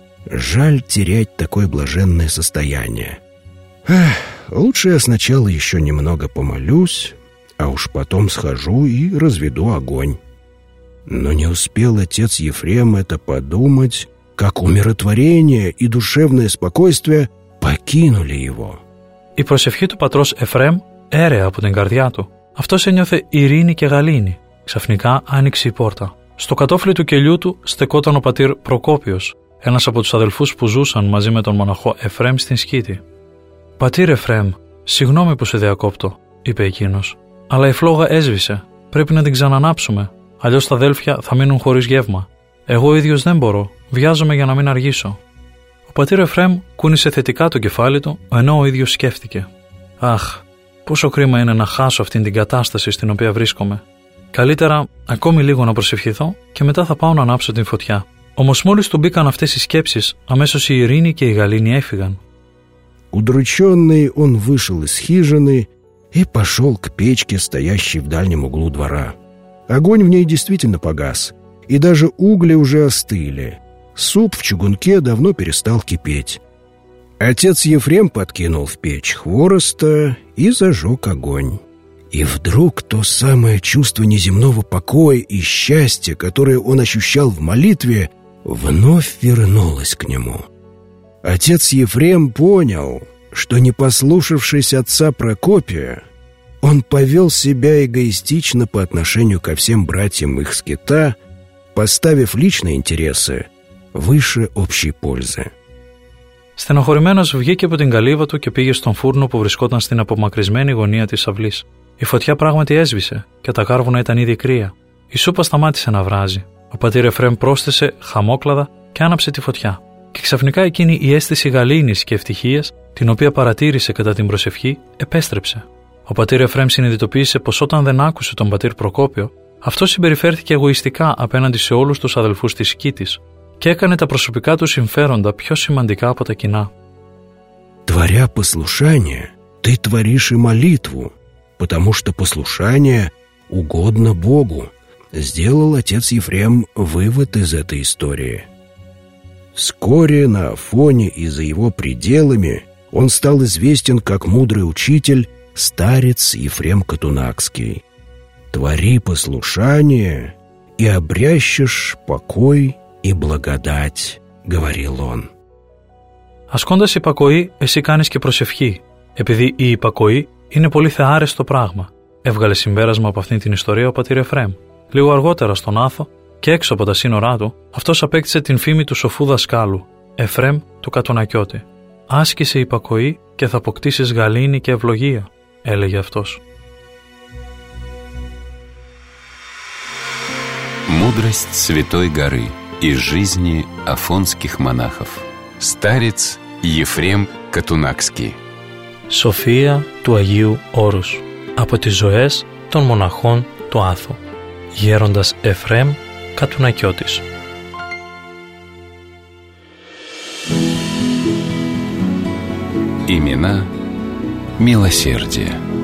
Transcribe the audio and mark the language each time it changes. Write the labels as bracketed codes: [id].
[ru] Жаль терять такое блаженное состояние. Лучше я сначала еще немного помолюсь, а уж потом схожу и разведу огонь. Но не успел отец Ефрем это подумать, как умиротворение и душевное спокойствие покинули его. [el] Η προσευχή του πατρός Εφρέμ έρεε από την καρδιά του. Αυτός ένιωθε ειρήνη και γαλήνη. Ξαφνικά άνοιξε η πόρτα. Στο κατώφλι του κελιού του στεκόταν ο πατήρ Προκόπιος, ένας από τους αδελφούς που ζούσαν μαζί με τον μοναχό Εφρέμ στην σκήτη. «Πατήρ Εφρέμ, συγγνώμη που σε διακόπτω», είπε εκείνος. «Αλλά η φλόγα έσβησε. Πρέπει να την ξανανάψουμε. Αλλιώς τα αδέλφια θα μείνουν χωρίς γεύμα. Εγώ ίδιος δεν μπορώ. Βιάζομαι για να μην αργήσω». Ο πατήρ Εφρέμ κούνησε θετικά το κεφάλι του, ενώ ο ίδιος σκέφτηκε. «Αχ, πόσο κρίμα είναι να χάσω αυτήν την κατάσταση στην οποία βρίσκομαι. Καλύτερα ακόμη λίγο να προσευχηθώ και μετά θα πάω να ανάψω την φωτιά». Όμως μόλις του μπήκαν αυτές οι σκέψεις, αμέσως η ειρήνη και η γαλήνη έφυγαν. [ru] Удручённый он вышел из хижины и пошёл к печке, стоящей в дальнем углу двора. Огонь в ней действительно погас, и даже угли уже остыли. Суп в чугунке давно перестал кипеть. Отец Ефрем подкинул в печь хвороста и зажег огонь. И вдруг то самое чувство неземного покоя и счастья, которое он ощущал в молитве, вновь вернулось к нему. Отец Ефрем понял, что, не послушавшись отца Прокопия, он повел себя эгоистично по отношению ко всем братьям их скита, поставив личные интересы выше общей пользы. [el] Στενοχωρημένος βγήκε από την καλύβα του και πήγε στον φούρνο που βρισκόταν στην απομακρυσμένη γωνία της αυλής. Η φωτιά πράγματι έσβησε και τα κάρβουνα ήταν ήδη κρύα. Η σούπα σταμάτησε να βράζει. Ο πατήρ Εφρέμ πρόσθεσε χαμόκλαδα και άναψε τη φωτιά. Και ξαφνικά εκείνη η αίσθηση γαλήνης και ευτυχίας, την οποία παρατήρησε κατά την προσευχή, επέστρεψε. Ο πατήρ Εφρέμ συνειδητοποίησε πως όταν δεν άκουσε τον πατήρ Προκόπιο, αυτό συμπεριφέρθηκε εγωιστικά απέναντι σε όλους τους αδελφούς της σκήτης και έκανε τα προσωπικά του συμφέροντα πιο σημαντικά από τα κοινά. [ru] Творя послушание, ты творишь и молитву, потому что послушание угодно Богу, сделал отец Ефрем вывод из этой истории. Вскоре на Афоне и за его пределами он стал известен как мудрый учитель, старец Ефрем Катунакский. Твори послушание и обрящешь покой и благодать, говорил он. [el] Ασκώντας υπακοή, εσύ κάνεις και προσευχή, επειδή η υπακοή είναι πολύ θεάρεστο πράγμα, έβγαλε συμπέρασμα από αυτήν την ιστορία ο πατήρ Εφρέμ. Λίγο αργότερα στον Άθο και έξω από τα σύνορά του, αυτός απέκτησε την φήμη του σοφού δασκάλου, Εφρέμ του Κατουνακιώτη. Άσκησε υπακοή και θα αποκτήσεις γαλήνη και ευλογία, έλεγε αυτός. [ru] Мудрость Святой Горы из жизни афонских монахов. Старец Ефрем Катунакский. [el] София του Αγίου Όρους. Από τις ζωές των μοναχών του Άθου. Γέροντας Εφρέμ Κατουνακιώτης. [ru] Имена милосердия.